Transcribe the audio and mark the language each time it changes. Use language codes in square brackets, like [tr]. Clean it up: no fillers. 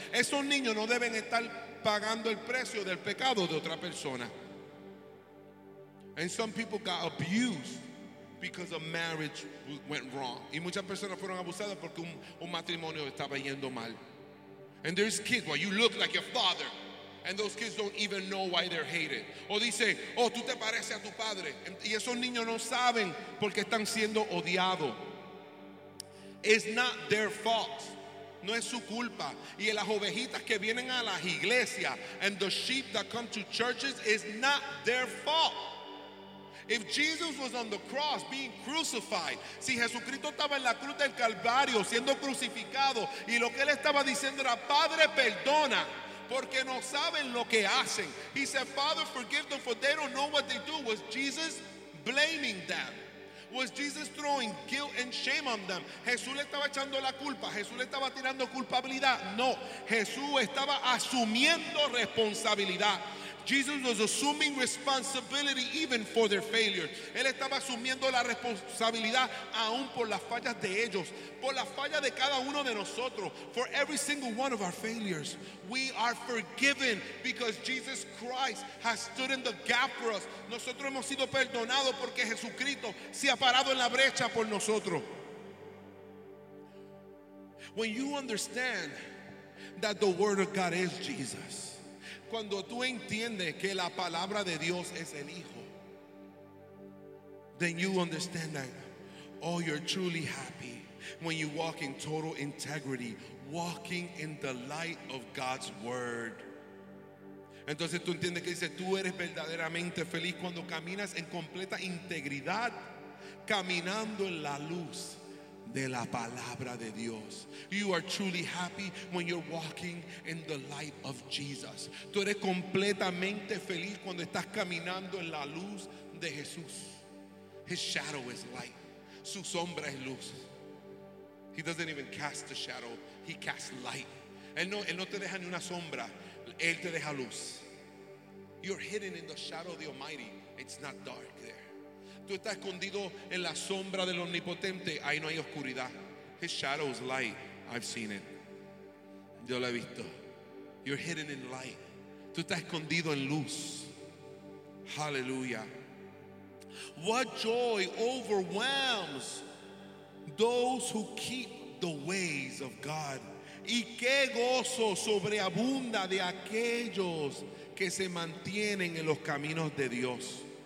[es] Esos niños no deben estar pagando el precio del pecado de otra persona. [en] And some people got abused because a marriage went wrong. [es] Y muchas personas fueron abusadas porque un matrimonio estaba yendo mal. [en] And there's kids, well, you look like your father. And those kids don't even know why they're hated. [es] O dice, oh, tú te pareces a tu padre. Y esos niños no saben por qué están siendo odiados. [en] It's not their fault. [es] No es su culpa. Y las ovejitas que vienen a las iglesias, [en] and the sheep that come to churches, is not their fault. If Jesus was on the cross being crucified, [es] si Jesucristo estaba en la cruz del Calvario siendo crucificado, y lo que él estaba diciendo era, Padre, perdona, porque no saben lo que hacen. [en] He said, Father, forgive them, for they don't know what they do. Was Jesus blaming them? Was Jesus throwing guilt and shame on them? [es] Jesús le estaba echando la culpa. Jesús le estaba tirando culpabilidad. No, Jesús estaba asumiendo responsabilidad. [en] Jesus was assuming responsibility even for their failures. [es] Él estaba asumiendo la responsabilidad aún por las fallas de ellos, por las fallas de cada uno de nosotros. [en] For every single one of our failures, we are forgiven because Jesus Christ has stood in the gap for us. [es] Nosotros hemos sido perdonados porque Jesucristo se ha parado en la brecha por nosotros. [en] When you understand that the word of God is Jesus, [es] cuando tú entiendes que la palabra de Dios es el Hijo, [en] then you understand that, oh, you're truly happy when you walk in total integrity, walking in the light of God's word. [es] Entonces tú entiendes que dice, tú eres verdaderamente feliz cuando caminas en completa integridad, caminando en la luz de la palabra de Dios. [en] You are truly happy when you're walking in the light of Jesus. [es] Tú eres completamente feliz cuando estás caminando en la luz de Jesús. [en] His shadow is light. [es] Su sombra es luz. [en] He doesn't even cast a shadow. He casts light. [es] Él no te deja ni una sombra. Él te deja luz. [en] You're hidden in the shadow of the Almighty. It's not dark there. [es] Tú estás escondido en la sombra del Omnipotente. Ahí no hay oscuridad. [en] His shadow is light. I've seen it. [es] Yo lo he visto. [en] You're hidden in light. [es] Tú estás escondido en luz. [en] Hallelujah. What joy overwhelms those who keep the ways of God. [es] Y qué gozo sobreabunda de aquellos que se mantienen en los caminos de Dios.